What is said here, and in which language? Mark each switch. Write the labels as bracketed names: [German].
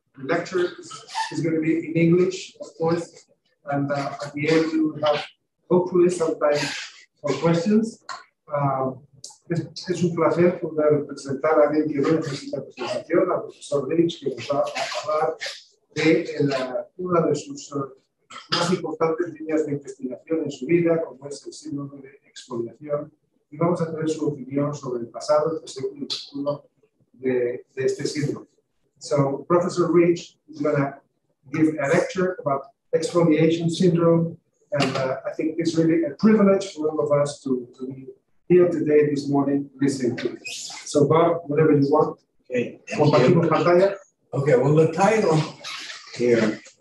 [English] The lecture is going to be in English, of course, and at the end we will have hopefully some time for questions. [Spanish] Es un placer poder presentar a alguien que va a presentar la presentación, al profesor Ritch, que nos va a hablar de una de sus más importantes líneas de investigación en su vida, como es el síndrome de exfoliación, y vamos a tener su opinión sobre el pasado, el presente y el futuro. De este síndrome. [English] So, Professor Ritch is going to give a lecture about exfoliation syndrome, and I think it's really a privilege for all of us to be here today, this morning, listening to this. So, Bob, whatever you want. Okay, thank you. Okay, well, the title here.